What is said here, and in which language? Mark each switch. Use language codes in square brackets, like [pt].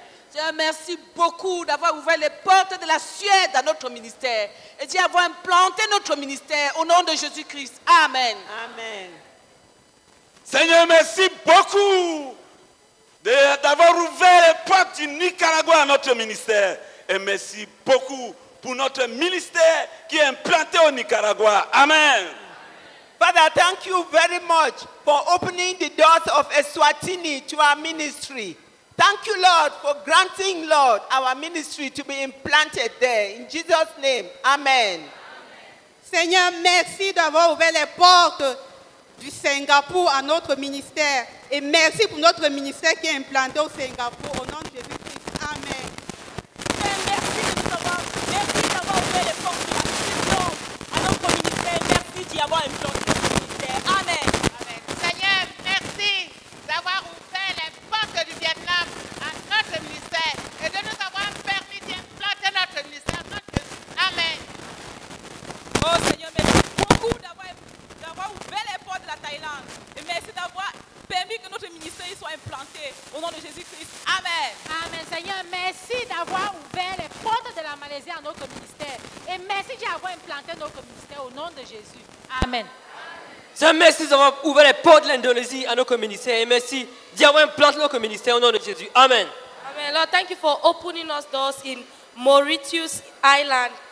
[fr] Seigneur, merci beaucoup d'avoir ouvert les portes de la Suède à notre ministère, et d'avoir implanté notre ministère au nom de Jésus-Christ. Amen. Amen. Seigneur, merci beaucoup d'avoir ouvert les portes du Nicaragua à notre ministère. Et merci beaucoup pour notre ministère qui est implanté au Nicaragua. Amen. [en] Father, thank you very much for opening the doors of Eswatini to our ministry. Thank you, Lord, for granting, Lord, our ministry to be implanted there. In Jesus' name, amen. [fr] Seigneur, merci d'avoir ouvert les portes du Singapour à notre ministère. Et merci pour notre ministère qui est implanté au Singapour. Au nom de Jésus-Christ. Amen. Merci d'avoir ouvert les portes de la mission à notre ministère. Merci d'y avoir implanté notre ministère. Amen. Amen. Seigneur, merci d'avoir ouvert les portes du Vietnam à notre ministère et de nous avoir permis d'y implanter notre ministère. Amen. Oh Seigneur, merci beaucoup d'avoir ouvert les portes de la Thaïlande. Et merci d'avoir permis que notre ministère soit implanté au nom de Jésus-Christ. Amen. Amen. Seigneur, merci d'avoir ouvert les portes de la Malaisie à notre ministère. Et merci d'avoir implanté notre ministère au nom de Jésus. Amen. Amen. Seigneur, merci d'avoir ouvert les portes de l'Indonésie à notre ministère. Et merci d'avoir implanté notre ministère au nom de Jésus. Amen. Amen. [en] Lord, thank you for opening us doors in Mauritius Island.